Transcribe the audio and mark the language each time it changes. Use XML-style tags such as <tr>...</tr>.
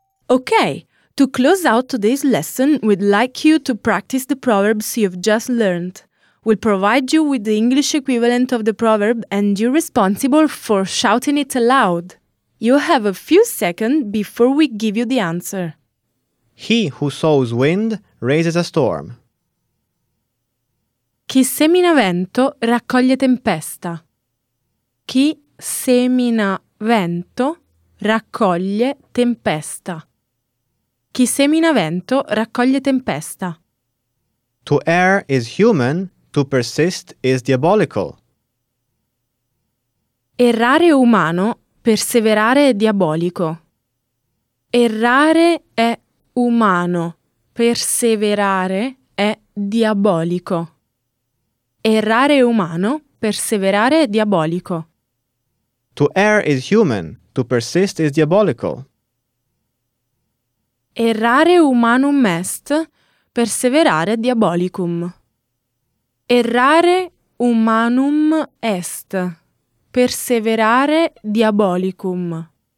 <en>Okay, to close out today's lesson, we'd like you to practice the proverbs you've just learned. We'll provide you with the English equivalent of the proverb and you're responsible for shouting it aloud. You have a few seconds before we give you the answer. He who sows wind raises a storm.</en> <it>Chi semina vento raccoglie tempesta. Chi semina vento raccoglie tempesta. Chi semina vento raccoglie tempesta.</it> <en>To err is human, to persist is diabolical.</en> <it>Errare è umano, perseverare è diabolico. Errare è umano, perseverare è diabolico. Errare è umano, perseverare è diabolico.</it> <en>To err is human, to persist is diabolical.</en> <la>Errare humanum est, perseverare diabolicum. Errare humanum est, perseverare diabolicum.</la>